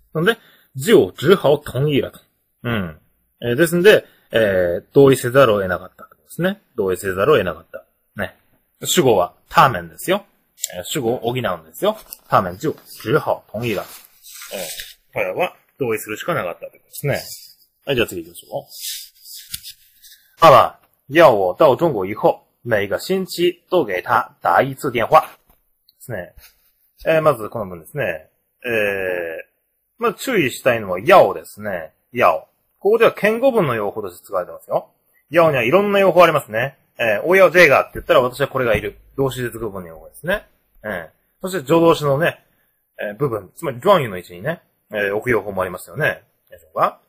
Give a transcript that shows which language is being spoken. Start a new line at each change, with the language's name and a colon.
Japanese: なので、
Chinese: 就只好同意了。
Japanese: うん。ですので、同意せざるを得なかったってことですね。同意せざるを得なかった。ね。主語は、他们ですよ。主語を補うんですよ。
Chinese: 他们就只好同意了。
Japanese: これは、同意するしかなかったってことですね。はい、じゃあ次行きましょう。あら、
Chinese: 要我到中国以后，每个星期都给他打一次电话。
Japanese: ですね。まずこの文ですね。まず注意したいのは、要ですね。要。ここでは、堅固文の用法として使われてますよ。要にはいろんな用法ありますね。おやぜがって言ったら、私はこれがいる。動詞接続文の用法ですね。そして、助動詞のね、部分、つまり、状語の位置にね、置く用法もありますよね。でしょうか。